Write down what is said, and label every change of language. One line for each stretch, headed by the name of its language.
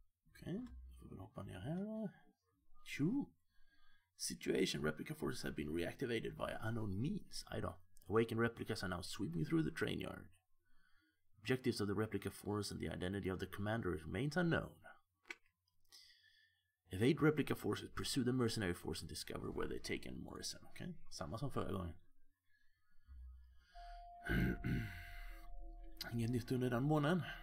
Swedish: Okej, då hoppar ner här då. Tju!
English: Situation replica forces have been reactivated via unknown means. Ida. Awakened replicas are now sweeping through the train yard. Objectives of the replica force and the identity of the commander remains unknown. Evade replica forces, pursue the mercenary force and discover where they've taken Morrison.
Swedish: Okej, samma som förra gången. Ingen nytt under den månen.